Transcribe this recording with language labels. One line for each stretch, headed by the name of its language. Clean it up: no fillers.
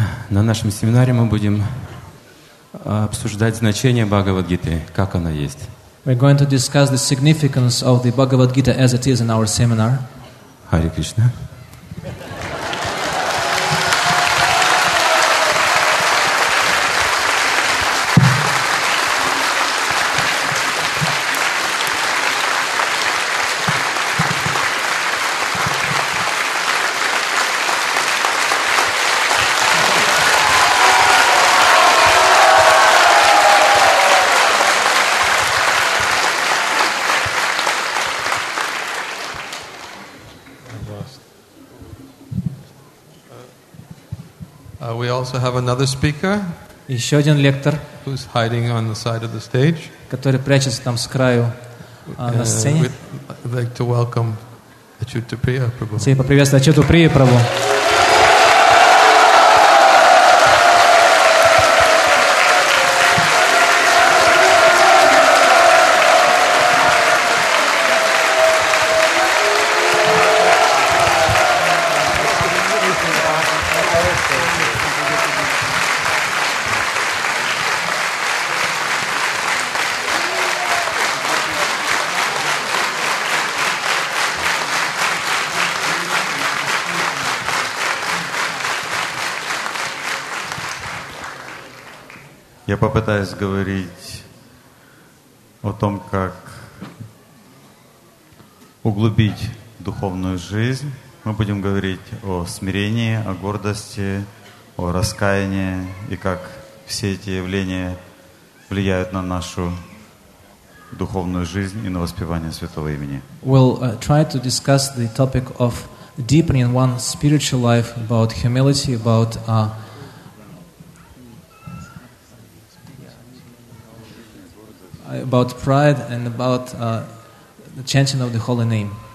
Russian: На нашем семинаре мы будем обсуждать значение Бхагавад-гиты, как она есть.
English: We're going to discuss the significance of the Bhagavad-gita as it is in our seminar. Hare Krishna. Also have another speaker.
Russian: Еще один лектор.
English: Who's hiding on the side of the stage?
Russian: Который прячется там с краю на сцене.
English: We'd like to welcome Achyutapriya Prabhu.
Russian: Все поприветствуем Ачютаприя Прабху. Я попытаюсь говорить о том, как углубить духовную жизнь. Мы будем говорить о смирении, о гордости, о раскаянии и как все эти явления влияют на нашу духовную жизнь и на воспевание Святого Имени.
English: We'll try to discuss the topic of deepening one's spiritual life, about humility, about about pride and about the chanting of the holy name.